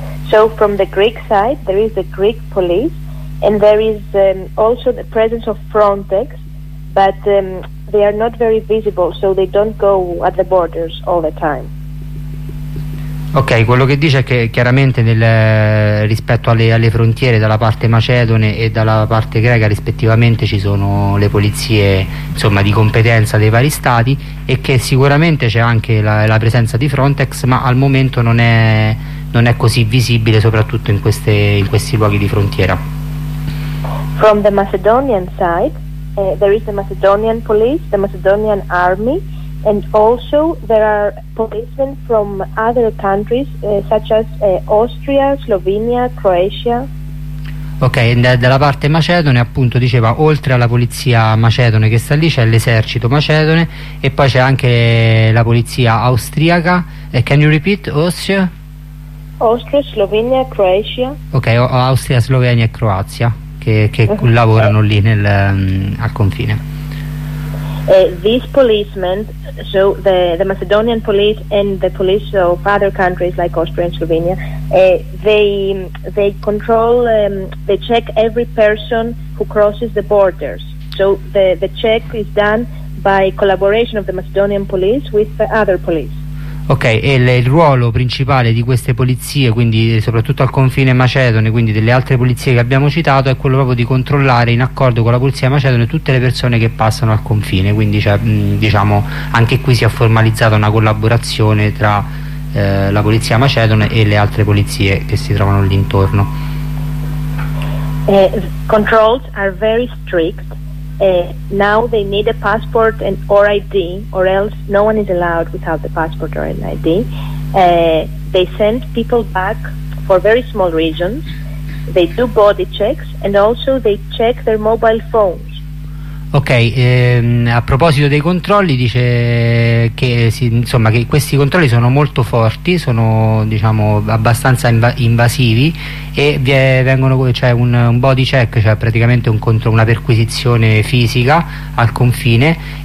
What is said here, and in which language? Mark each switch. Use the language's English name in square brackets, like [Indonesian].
[English] So from the Greek side, there is the Greek police, and there is also the presence of Frontex, but they are not very visible, so they don't go at the borders all the time. [Italian] Ok, quello che dice è che chiaramente rispetto alle frontiere dalla parte macedone e dalla parte greca rispettivamente ci sono le polizie, insomma, di competenza dei vari stati, e che sicuramente c'è anche la presenza di Frontex, ma al momento non è così visibile, soprattutto in questi luoghi di frontiera. [English] From the Macedonian side, there is the Macedonian police, the Macedonian army. And also there are policemen from other countries, such as Austria, Slovenia, Croatia. [Italian] Ok, dalla parte macedone, appunto, diceva, oltre alla polizia macedone che sta lì, c'è l'esercito macedone, e poi c'è anche la polizia austriaca. [English] Can you repeat, Austria? Austria, Slovenia, Croatia. [Italian] Ok, Austria, Slovenia e Croazia, che lavorano lì al confine. [English] These policemen, so the Macedonian police and the police of other countries like Austria and Slovenia, they control, they check every person who crosses the borders. So the check is done by collaboration of the Macedonian police with the other police. [Italian] Ok, il ruolo principale di queste polizie, quindi soprattutto al confine macedone, quindi delle altre polizie che abbiamo citato, è quello proprio di controllare in accordo con la polizia macedone tutte le persone che passano al confine, quindi c'è, diciamo, anche qui si è formalizzata una collaborazione tra la polizia macedone e le altre polizie che si trovano lì intorno. [English] Controls are very strict. Now they need a passport and or ID, or else no one is allowed without the passport or an ID. They send people back for very small reasons. They do body checks and also they check their mobile phones. [Italian] Ok, a proposito dei controlli, dice che che questi controlli sono molto forti, sono, diciamo, abbastanza invasivi, e vengono un body check, cioè praticamente una perquisizione fisica al confine.